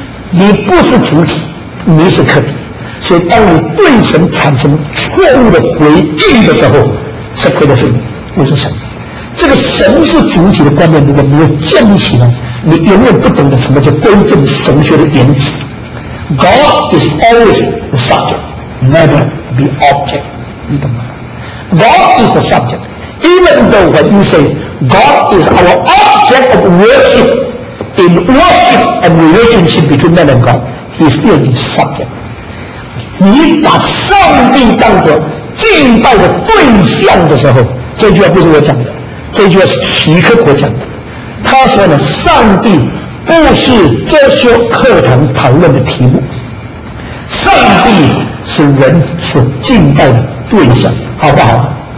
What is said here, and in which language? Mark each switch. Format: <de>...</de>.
<zh>你不是主体，你是客体，所以当你对神产生错误的回应的时候，吃亏的是你，不是神。这个神是主体的观念，如果没有建立起来，你永远不懂得什么叫归正神学的原则。</zh> <en>God is always the subject, never the object.</en> <zh>你懂吗</zh> <en>？God is the subject. Even though when you say God is our object of worship, in worship and relationship between man and God, He is still His subject.</en> <zh>你把上帝当作敬拜的对象的时候，这句话不是我讲的，这句话是齐克果讲的。他说呢，上帝不是这些课堂讨论的题目，上帝是人所敬拜的对象，好不好？</zh>